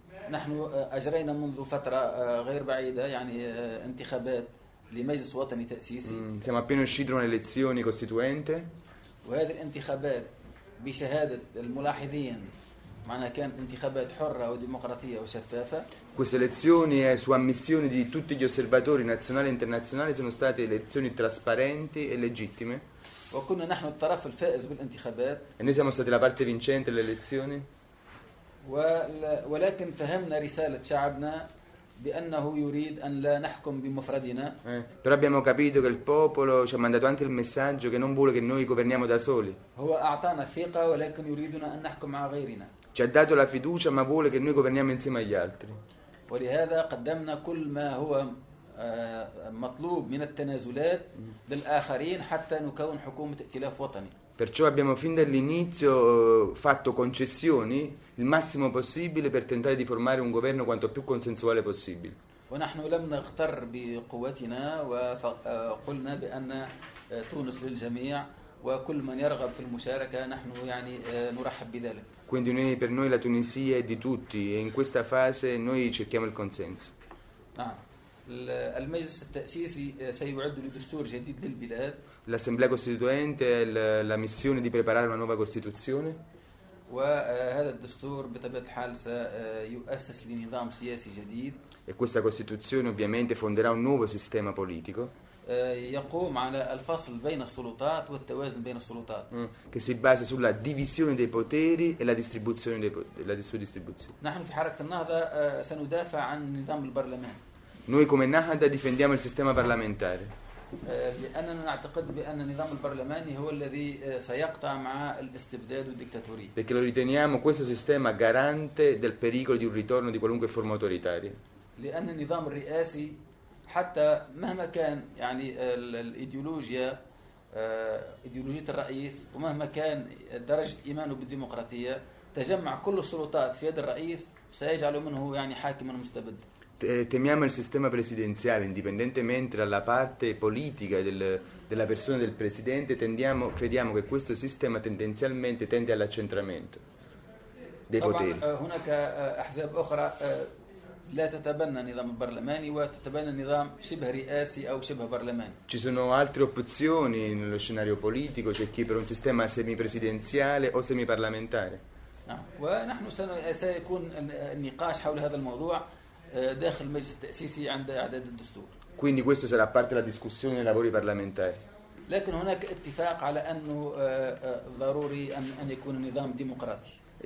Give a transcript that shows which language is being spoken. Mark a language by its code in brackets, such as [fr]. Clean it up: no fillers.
[ar] نحن أجرينا منذ فترة غير بعيدة يعني انتخابات لمجلس وطني تأسيسي. [it] Siamo appena usciti da un'elezione costituente. [ar] وهذه الانتخابات بشهادة الملاحظين معناها كانت انتخابات حرة وديمقراطية وشفافة. [it] Queste elezioni è su ammissione di tutti gli osservatori nazionali e internazionali sono state elezioni trasparenti e legittime. [ar] وكنا نحن الطرف الفائز بالانتخابات. [it] E noi siamo stati la parte vincente delle elezioni. [ar] ولكن فهمنا رسالة شعبنا بأنه يريد أن لا نحكم بمفردنا. [it] Però abbiamo capito che il popolo ci ha mandato anche il messaggio che non vuole che noi governiamo da soli. [ar] هو أعطانا الثقة ولكن يريدنا أن نحكم مع غيرنا. [it] Ci ha dato la fiducia ما vuole che noi governiamo insieme agli altri. [ar] ولهذا قدمنا كل ما هو مطلوب من التنازلات للآخرين حتى نكون حكومة ائتلاف وطني. [it] Perciò abbiamo fin dall'inizio fatto concessioni il massimo possibile per tentare di formare un governo quanto più consensuale possibile. [ar] ونحن لم نغتر بقوتنا وقلنا بأن تونس للجميع وكل من يرغب في المشاركة نحن يعني نرحب بذلك. [it] Quindi noi, per noi la Tunisia è di tutti e in questa fase noi cerchiamo il consenso. [ar] المجلس التأسيسي سيعد لدستور جديد للبلاد. [it] L'assemblea costituente ha la missione di preparare una nuova costituzione. [ar] وهذا الدستور بطبيعة الحال سيؤسس لنظام سياسي جديد. [it] E questa costituzione ovviamente fonderà un nuovo sistema politico. [ar] يقوم على الفصل بين السلطات والتوازن بين السلطات. [it] Che si basa sulla divisione dei poteri e la distribuzione della sua distribuzione. [ar] نحن في حركة النهضة سندافع عن نظام البرلمان. [it] Noi come Nahda difendiamo il sistema parlamentare. [ar] لأننا نعتقد بأن النظام البرلماني هو الذي سيقطع مع الاستبداد والديكتاتورية. [it] Perché lo riteniamo questo sistema garante del pericolo di un ritorno di qualunque forma autoritaria. [ar] لأن النظام الرئاسي حتى مهما كان يعني الايديولوجيا ايديولوجية الرئيس ومهما كان درجة إيمانه بالديمقراطية تجمع كل السلطات في يد الرئيس سيجعل منه يعني حاكما مستبدا. [it] Temiamo il sistema presidenziale, indipendentemente dalla parte politica della persona del presidente, crediamo che questo sistema tendenzialmente tende all'accentramento dei poteri. [ar] هناك أحزاب أخرى لا تتبنى نظام برلماني وتتبنى نظام شبه رئاسي أو شبه برلماني. [it] Ci sono altre opzioni nello scenario politico, c'è chi per un sistema semipresidenziale o semiparlamentare. [ar] ونحن سيكون النقاش حول هذا الموضوع داخل المجلس التأسيسي عند إعداد الدستور. [it] Quindi questo sarà parte della discussione dei lavori parlamentari. [ar] لكن هناك اتفاق على أنه ضروري أن يكون نظام ديمقراطي.